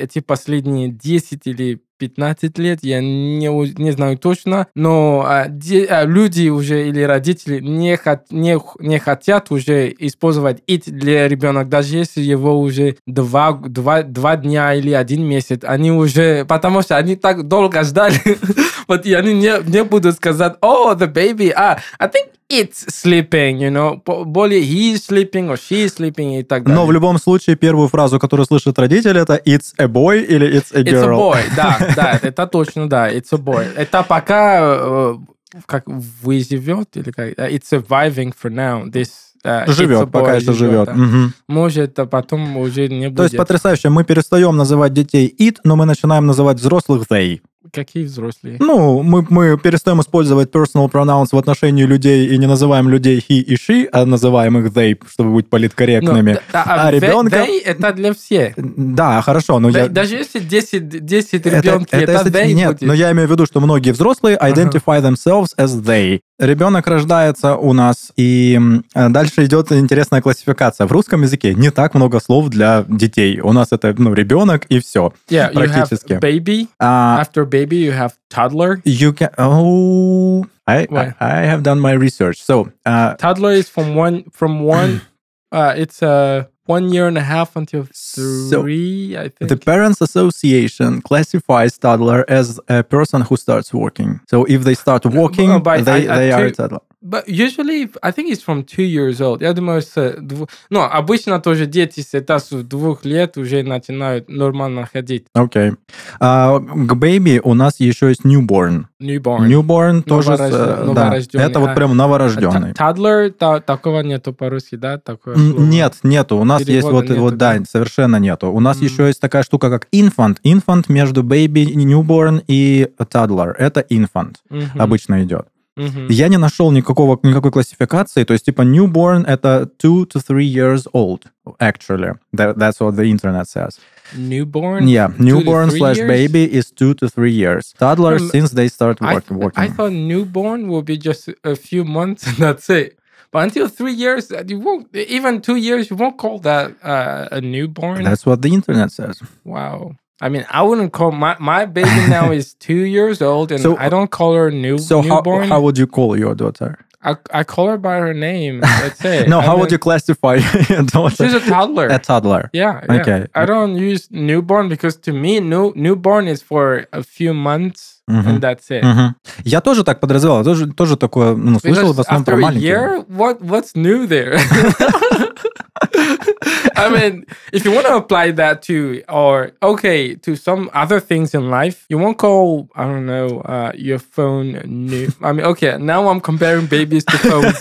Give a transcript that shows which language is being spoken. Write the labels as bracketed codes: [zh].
[ru] эти последние 10 или 15 лет, я не знаю точно, но люди уже или родители не хотят уже использовать it для ребенка, даже если его уже два дня или один месяц, они уже, потому что они так долго ждали, вот, и они не будут сказать, о, [en] the baby, I think it's sleeping, you know. [ru] Более [en] he's sleeping or she's sleeping [ru] и так далее. Но в любом случае первую фразу, которую слышат родители, это [en] it's a boy [ru] или [en] it's a girl. It's a boy, [ru] да, да, это точно, да, [en] it's a boy. [ru] Это пока как выживет или как [en] it's surviving for now this. [ru] Живет, пока еще живет. Да. Угу. Может, а потом уже не будет. То есть потрясающе, мы перестаем называть детей it, но мы начинаем называть взрослых they. Какие взрослые? Ну, мы перестаем использовать personal pronouns в отношении людей и не называем людей he и she, а называем их they, чтобы быть политкорректными. А ребенка... They – это для всех. Да, хорошо. Но they, я... Даже если 10 ребенка, это they будет. Нет, но я имею в виду, что многие взрослые [en] identify themselves as they. [ru] Ребенок рождается у нас, и дальше идет интересная классификация. В русском языке не так много слов для детей. У нас это, ну, ребенок, и все. [en] Yeah, [ru] практически. [en] You have baby. After baby, you have toddler. You can... I have done my research. So, toddler is from one... it's a... 1 year and a half until three, so, I think. The Parents Association classifies toddler as a person who starts walking. So if they start walking, they are a toddler. But usually, I think it's from 2 years old. [ru] Я думаю, с двух... Ну, обычно тоже дети с этапом двух лет уже начинают нормально ходить. Окей. К baby у нас еще есть newborn. [en] Newborn [ru] тоже... Новорожденный. Да, это вот прям новорожденный. Toddler, такого нету по-русски, да? Такое, нет, нету. У нас есть вот... Нету, вот да, да, совершенно нету. У нас еще есть такая штука, как infant. Infant между baby, newborn и toddler. Это infant обычно идет. Mm-hmm. Я не нашел никакой классификации, то есть типа newborn это [en] 2-3 years old, actually. That's what the internet says. Newborn? Yeah, newborn slash baby is 2-3 years. Toddlers since they start working. I thought newborn will be just a few months and that's it. But until 3 years, you won't, even 2 years, you won't call that a newborn. That's what the internet says. Wow. I mean, I wouldn't call... My baby now is 2 years old, and so, I don't call her newborn. So how would you call your daughter? I call her by her name. That's it. No, how would you classify? She's a toddler. A toddler. Yeah. Okay. Yeah. I don't use newborn because to me, newborn is for a few months. Mm-hmm. And that's it. Mm-hmm. [ru] Я тоже так подразумевал, тоже такое, ну, слышал в основном про маленьких. [en] After a year, what's new there? I mean, if you want to apply that to, or, okay, to some other things in life, you won't call, I don't know, your phone new. I mean, okay, now I'm comparing babies to phones.